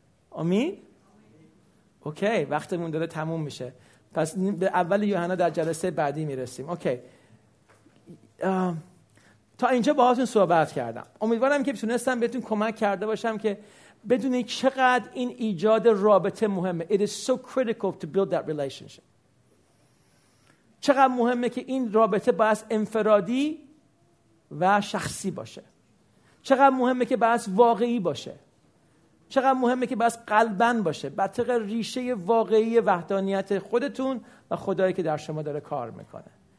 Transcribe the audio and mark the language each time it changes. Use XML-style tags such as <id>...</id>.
<fa>آمین؟ اوکی، وقتمون داره تموم میشه. پس به اول یوحنا در جلسه بعدی میرسیم. اوکی. تا اینجا باهاتون صحبت کردم. امیدوارم که بتونستم بهتون کمک کرده باشم که بدونی چقدر این ایجاد رابطه مهمه.</fa> <en>It is so critical to build that relationship.</en> <fa>چقدر مهمه که این رابطه باید انفرادی و شخصی باشه. چقدر مهمه که باید واقعی باشه. چقدر مهمه که باید قلبن باشه. بر طبق ریشه واقعی وحدانیت خودتون و خدایی که در شما داره کار میکنه.</fa>